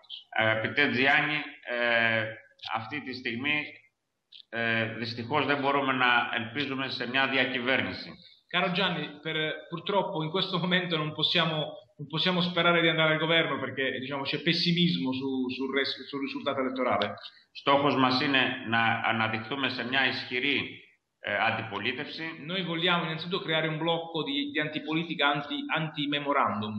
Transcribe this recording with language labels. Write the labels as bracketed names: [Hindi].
[Greek] Αγαπητέ Τζιάννη, αυτή τη στιγμή δυστυχώς δεν μπορούμε να ελπίζουμε σε μια διακυβέρνηση. [Italian] Caro Gianni, purtroppo in questo momento non possiamo sperare di andare al governo perché diciamo, c'è pessimismo sul risultato elettorale. [Greek] Στόχος μας είναι να αναδειχθούμε σε μια ισχυρή αντιπολίτευση. [Italian] Noi vogliamo innanzitutto creare un blocco di antipolitica anti memorandum.